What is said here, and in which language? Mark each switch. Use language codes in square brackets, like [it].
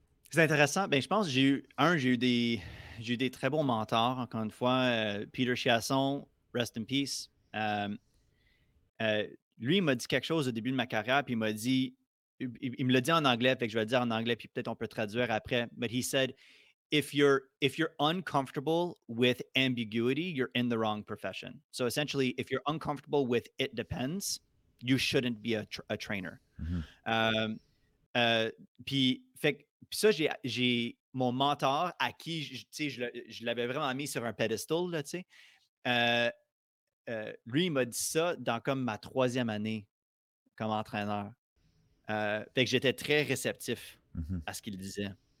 [fr] C'est intéressant. Bien, je pense que j'ai eu des très bons mentors, encore une fois. Peter Chiasson, rest in peace. Lui, il m'a dit quelque chose au début de ma carrière, puis il me l'a dit en anglais, fait que je vais le dire en anglais, puis peut-être on peut traduire après. [en] But he said, if you're uncomfortable with ambiguity, you're in the wrong profession. So essentially, if you're uncomfortable with it depends, you shouldn't be a trainer. Mm-hmm. [fr] Puis ça, j'ai mon mentor à qui, tu sais, je l'avais vraiment mis sur un pedestal, là, tu sais. Lui, il m'a dit ça dans comme ma troisième année comme entraîneur. Fait que j'étais très réceptif à ce qu'il disait.